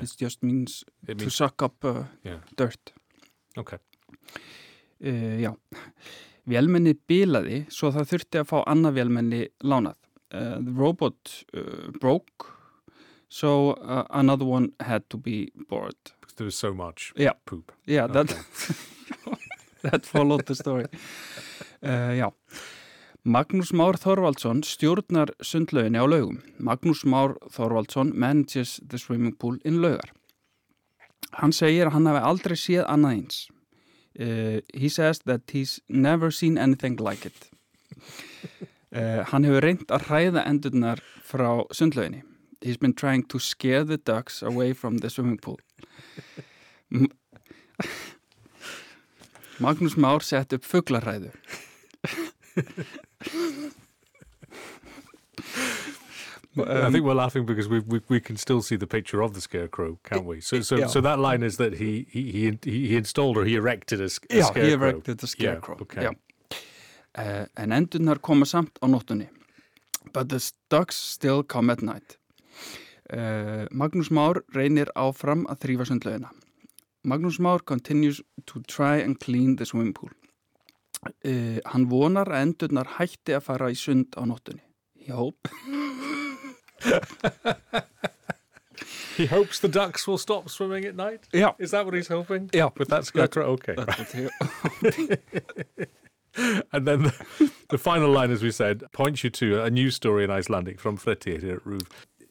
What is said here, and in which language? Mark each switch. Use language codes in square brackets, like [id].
[en] It just means it to suck up dirt. Okay. [is] Já. Vélmenni bilaði svo það þurfti að fá annað vélmenni lánað. [en] The robot broke, so another one had to be borrowed. There was so much poop. Yeah, that, that followed the story. [is] Já. Magnús Már Þorvaldsson stjórnar sundlauginni á laugum. [en] Magnús Már Þorvaldsson manages the swimming pool in laugar. [is] Hann segir að hann hafi aldrei séð annað eins. [en] He says that he's never seen anything like it. [is] Hann hefur reynt að hræða endurnar frá sundlauginni. [en] He's been trying to scare the ducks away from the swimming pool. [is] Magnús Már sett upp fuglarhræðu. [en] I think we're laughing because we can still see the picture of the scarecrow, can't we? So that line is that he installed or he erected a scarecrow. Yeah, he erected the scarecrow. Yeah, okay. Yeah. [is] En endurnar koma samt á nóttunni. [en] But the ducks still come at night. [is] Magnús Már reynir áfram að þrífa sundlaugina. [en] Magnús Már continues to try and clean the swimming pool. [is] Hann vonar að endurnar hætti að fara í sund á nóttunni. [en] He hopes. He hopes the ducks will stop swimming at night? Yeah. Is that what he's hoping? Yeah. With that scarecrow? Okay. And then the final line, as we said, points you to a news story in Icelandic from Fletti here at Roof.